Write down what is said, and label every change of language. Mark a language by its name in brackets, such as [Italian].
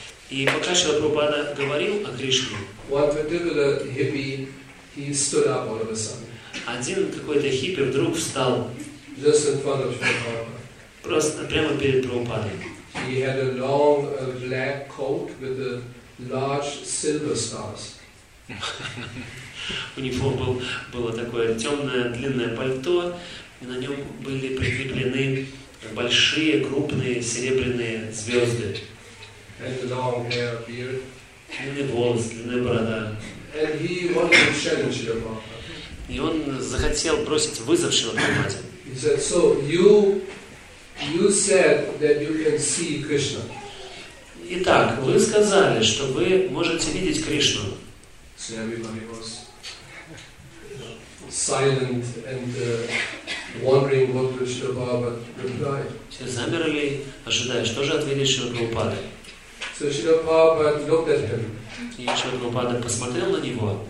[Russian] И пока Шрила Прабхупада говорил о Кришне, [English] one particular hippie, he stood up all of a sudden. [Russian] Один какой-то хиппи вдруг встал. [English] Just in front of Shri Prabhupada. [Russian] Просто прямо перед Прабхупадой. [English] He had a long black coat with a large silver stars. [Russian] У него было такое темное длинное пальто, и на нем были прикреплены большие, крупные, серебряные звезды. [English] And the long hair, beard. [Russian] Длинные волосы, длинная борода. [English] And he wanted to challenge Shri Prabhupada. [Russian] И он захотел бросить вызов Шри Прабхупаде. [English] He said, so you said that you can see Krishna. [Russian] Итак, вы сказали, что вы можете видеть Кришну. [English] So everybody was silent and wondering what Krishna Prabhupada replied. [Russian] Все замерли, ожидая, что же ответит Шри Прабхупада. [English] So Shri Prabhupada looked at him. [Russian] И Шри Прабхупада посмотрел на него.